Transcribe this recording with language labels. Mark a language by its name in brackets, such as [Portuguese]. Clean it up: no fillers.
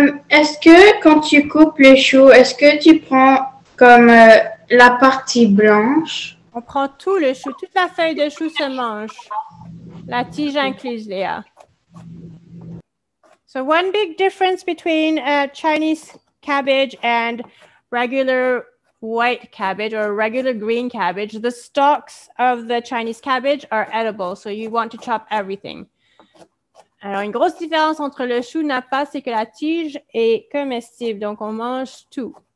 [French] Est-ce que quand tu coupes les choux, est-ce que tu prends comme la partie blanche? On prend tout le chou, toute la feuille de chou se mange, la tige incluse, Léa. [English] So one big difference between Chinese cabbage and regular white cabbage or regular green cabbage, the stalks of the Chinese cabbage are edible, so you want to chop everything. [French] Alors, une grosse différence entre le chou napa, c'est que la tige est comestible, donc on mange tout.